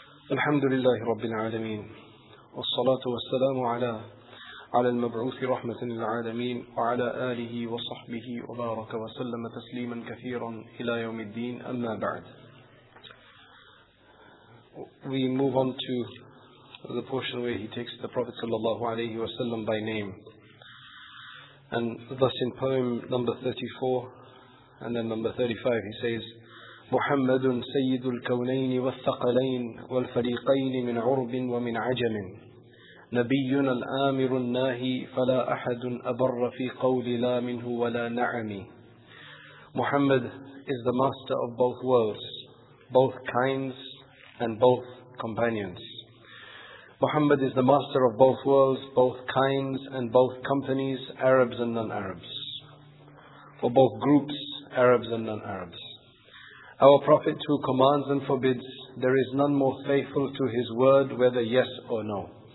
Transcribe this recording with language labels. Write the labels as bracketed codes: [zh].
[ar] الحمد لله رب العالمين، والصلاة والسلام على المبعوث رحمة للعالمين وعلى آله وصحبه وبارك وسلم تسليما كثيرا إلى يوم الدين. أما بعد، [en] we move on to the portion where he takes the Prophet صلى الله عليه وسلم by name. And thus in poem number 34 and then number 35 he says, [ar] محمد سيد الكونين والثقلين والفريقين من عرب ومن عجم نبينا الآمر الناهي فلا أحد أبر في قول لا منه ولا نعمي. [en] Muhammad is the master of both worlds, both kinds and both companions. Muhammad is the master of both worlds, both kinds and both companies, Arabs and non-Arabs. For both groups, Arabs and non-Arabs. Our Prophet who commands and forbids, there is none more faithful to his word, whether yes or no.